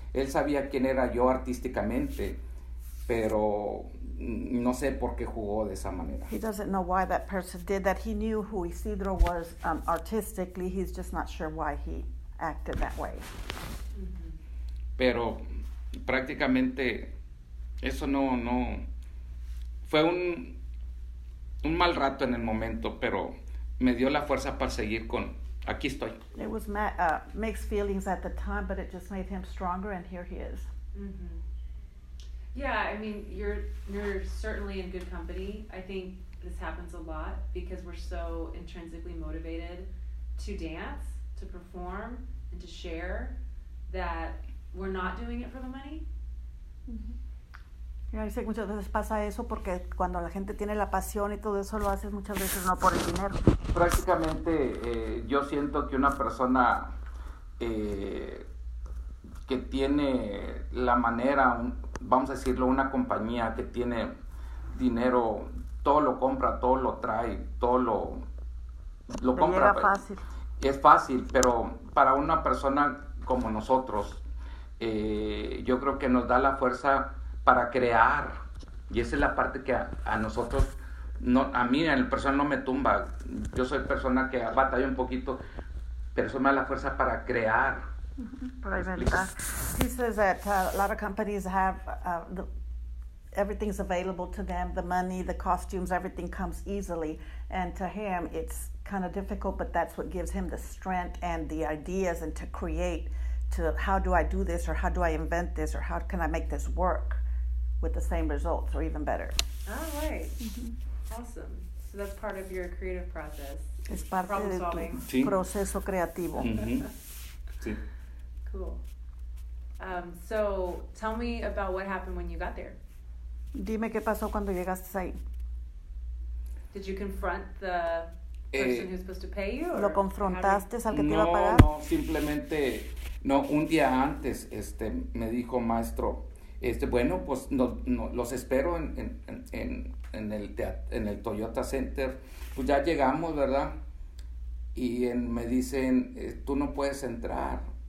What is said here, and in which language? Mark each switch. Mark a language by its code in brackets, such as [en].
[es] Él sabía quién era yo artísticamente, pero no sé por qué jugó de esa manera. [en] He doesn't know why that person did that. He knew who Isidro was artistically. He's just not sure why he acted that way. Mm-hmm. [es] Pero prácticamente eso no fue un mal rato en el momento, pero me dio la fuerza para seguir con aquí estoy. [en] It was mixed feelings at the time, but it just made him stronger, and here he is. Mm-hmm. Yeah, I mean, you're certainly in good company. I think this happens a lot because we're so intrinsically motivated to dance, to perform, and to share that we're not doing it for the money. Mm-hmm. [es] Y sé que muchas veces pasa eso porque cuando la gente tiene la pasión y todo eso lo hace muchas veces no por el dinero. Prácticamente yo siento que una persona que tiene la manera, vamos a decirlo, una compañía que tiene dinero, todo lo compra, todo lo trae, todo lo compra. Llega fácil. Es fácil, pero para una persona como nosotros, yo creo que nos da la fuerza para crear. Y esa es la parte que a nosotros, no, a mí en persona no me tumba. Yo soy persona que batalla un poquito, pero eso me da la fuerza para crear. [en] He says that a lot of companies have everything's available to them, the money, the costumes, everything comes easily, and to him it's kind of difficult, but that's what gives him the strength and the ideas and to create, to how do I do this or how do I invent this or how can I make this work with the same results or even better. Alright, awesome. So that's part of your creative process. [es] Es parte de tu proceso creativo. [en] Cool. So tell me about what happened when you got there. [es] Dime qué pasó cuando llegaste ahí. [en] Did you confront the person who's supposed to pay you? [es] ¿Lo confrontaste al que no, te iba a pagar? No, simplemente, no, un día antes me dijo maestro, bueno, pues no los espero en el Toyota Center. Pues ya llegamos, ¿verdad? Y me dicen, tú no puedes entrar.